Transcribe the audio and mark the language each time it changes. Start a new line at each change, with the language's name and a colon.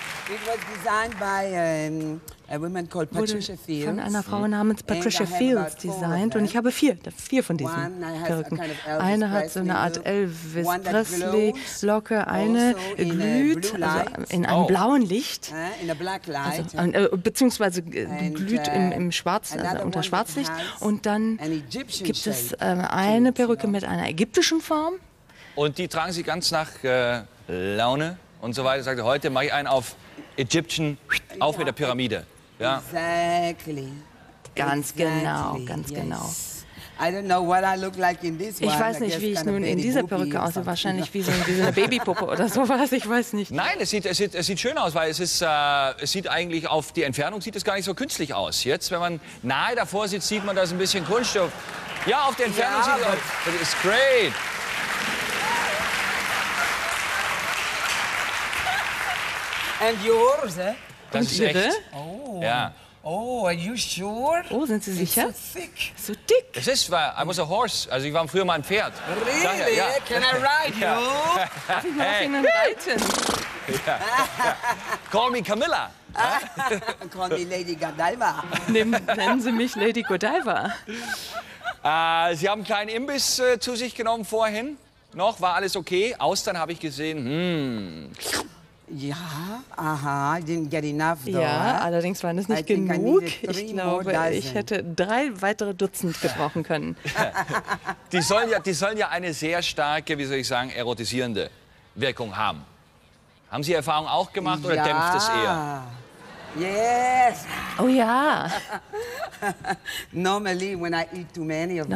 English: It was designed by a woman called Patricia Fields.
German: Von einer Frau namens Patricia Fields designed. Und ich habe vier von diesen Perücken. Eine hat so eine Art Elvis Presley Locke, eine glüht in einem blauen Licht, also, beziehungsweise glüht im schwarzen, also unter Schwarzlicht. Und dann gibt es eine Perücke mit einer ägyptischen Form. Und die tragen Sie ganz nach Laune? Und so weiter, sagte heute, mache ich einen auf Egyptian, auf mit der Pyramide. Ja.
English: Exactly.
German: Ganz genau, ganz genau.
English: I don't know what I look like in this one.
German: Ich weiß nicht, wie ich nun in dieser Perücke aussehe. Wahrscheinlich wie so eine Babypuppe oder sowas. Ich weiß nicht. Nein, es sieht schön aus, weil es sieht eigentlich auf die Entfernung sieht es gar nicht so künstlich aus. Jetzt, wenn man nahe davor sitzt, sieht man das ein bisschen Kunststoff. Ja, auf die Entfernung sieht es aus.
English: It's great. And yours, eh?
German: Das und ist ihre? Echt. Oh. Ja.
English: Oh, are you sure?
German: Oh, sind Sie sicher?
English: It's so thick.
German: So dick. Es ist, weil
English: I was a horse.
German: Also ich war früher mal ein Pferd.
English: Really?
German: Ja.
English: Can I ride you?
German: Ja. Darf ich mal auf Ihnen reiten?
English: Call me Camilla. Call me Lady Godiva.
German: Nennen Sie mich Lady Godiva. Sie haben einen kleinen Imbiss zu sich genommen vorhin. Noch, war alles okay? Austern habe ich gesehen. Ja,
English: aha, I didn't get enough, though.
German: Ja, allerdings waren es nicht genug. Ich glaube, ich hätte drei weitere Dutzend gebrauchen können. Die sollen ja eine sehr starke, wie soll ich sagen, erotisierende Wirkung haben. Haben Sie Erfahrung auch gemacht oder dämpft es eher?
English: Yes.
German: Oh ja.
English: Normally, when I eat too many of them,